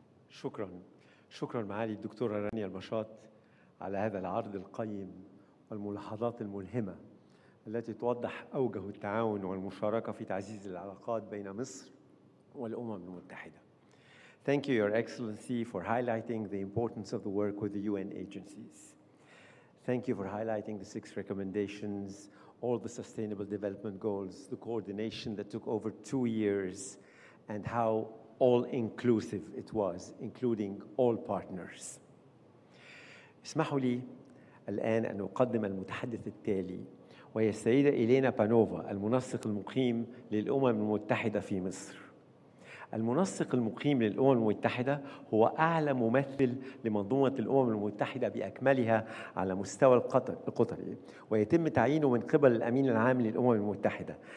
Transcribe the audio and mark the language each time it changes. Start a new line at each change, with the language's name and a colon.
Arabic: شكرا. شكرا معالي الدكتورة رانيا المشاط على هذا العرض القيم والملاحظات الملهمة التي توضح أوجه التعاون والمشاركة في تعزيز العلاقات بين مصر والأمم المتحدة.
English: Thank you, Your Excellency, for highlighting the importance of the work with the UN agencies. Thank you for highlighting the 6 recommendations, all the sustainable development goals, the coordination that took over 2 years, and how all-inclusive it was, including all partners.
Arabic: اسمحوا لي الآن أن أقدم المتحدث التالي وهي السيدة إلينا بانوفا المنسق المقيم للأمم المتحدة في مصر. المنسق المقيم للأمم المتحدة هو أعلى ممثل لمنظومة الأمم المتحدة بأكملها على مستوى القطري، ويتم تعيينه من قبل الأمين العام للأمم المتحدة.